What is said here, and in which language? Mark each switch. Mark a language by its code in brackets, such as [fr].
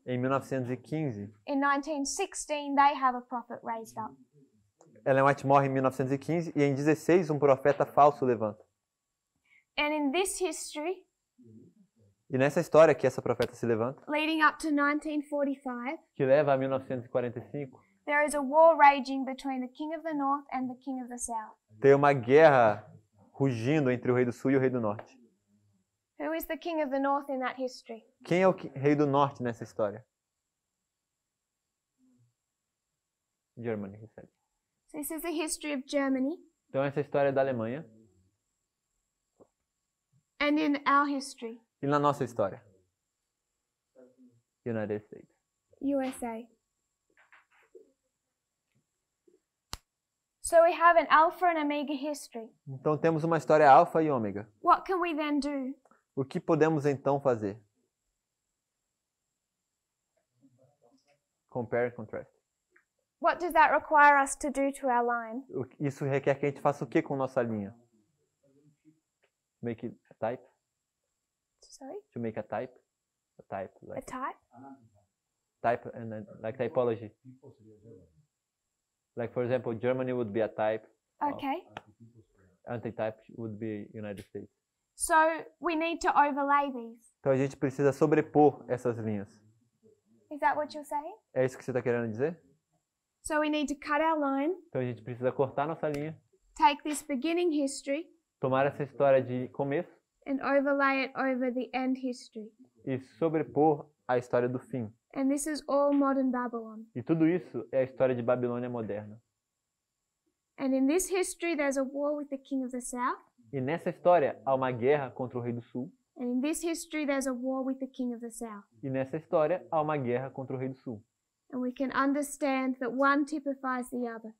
[pt] Em 1915. [en] In 1916 they have a prophet raised up. [pt] Ellen White morre em 1915 e em 16 profeta falso levanta. [en] And in this history. [pt] E nessa história que essa profeta se levanta. [en] Leading up to 1945. [pt] Que leva a 1945. [en] There is a war raging between the king of the north and the king of the south. [pt] Tem uma guerra rugindo entre o rei do sul e o rei do norte. [en] Who is the king of the north in that history? [pt] Quem é o rei do norte nessa história? [en] Germany, he said. So this is the history of Germany. [pt] Então essa é a história da Alemanha. [en] And in our history. [pt] E na nossa história. [en] United States. USA. So we have an alpha and omega history. [pt] Então temos uma história alfa e ômega. [en] What can we then do? [pt] O que podemos então fazer? [en] Compare and contrast. What does that require us to do to our line? [pt] Isso requer que a gente faça o que com nossa linha? [en] Make it a type? Sorry? To make a type? A type. Like a type? Type and then, like typology. Like, for example, Germany would be a type. Okay. Anti-type would be United States. So, we need to overlay these. [pt] Então, a gente precisa sobrepor essas linhas. [en] Is that what you're saying? [pt] É isso que você está querendo dizer? [en] So, we need to cut our line. [pt] Então, a gente precisa cortar nossa linha. [en] Take this beginning history. [pt] Tomar essa história de começo. [en] And overlay it over the end history. [pt] E sobrepor a história do fim. [en] And this is all modern Babylon. [pt] E tudo isso é a história de Babilônia moderna. [en] And in this history there's a war with the king of the south. [pt] E nessa história há uma guerra contra o rei do sul. [en] And in this history there's a war with the king of the south. [pt] E nessa história há uma guerra contra o rei do sul. [en] And we can understand that one typifies the other.